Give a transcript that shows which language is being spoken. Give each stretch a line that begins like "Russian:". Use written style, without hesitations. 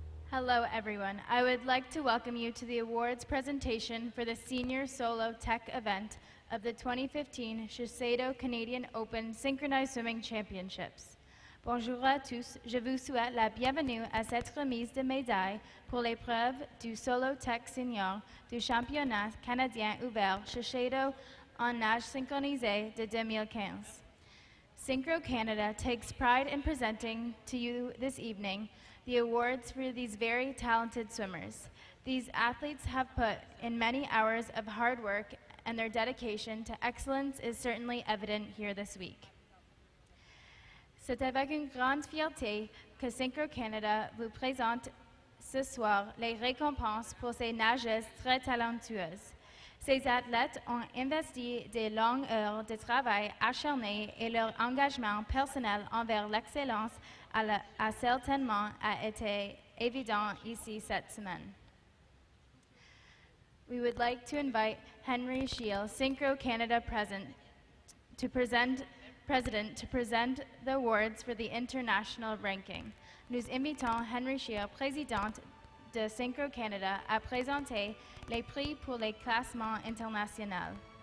English: Hello everyone, I would like to welcome you to the awards presentation for the Senior Solo Tech event of the 2015 Shiseido Canadian Open Synchronized Swimming Championships.
French: Bonjour à tous, je vous souhaite la bienvenue à cette remise de médailles pour l'épreuve du Solo Tech Senior du Championnat Canadien Ouvert Shiseido en nage synchronisée de 2015.
English: Synchro Canada takes pride in presenting to you this evening the awards for these very talented swimmers. These athletes have put in many hours of hard work, and their dedication to excellence is certainly evident here this week.
French: C'est avec une grande fierté que Synchro Canada vous présente ce soir les récompenses pour ces nageuses très talentueuses. Ces athlètes ont investi des longues heures de travail acharné et leur engagement personnel envers l'excellence a certainement été évident ici cette semaine.
English: We would like to invite Henry Scheel, Synchro Canada President, to present the awards for the international ranking.
French: Nous invitons Henry Scheel, Président de Synchro Canada, à présenter les prix pour les classements internationaux.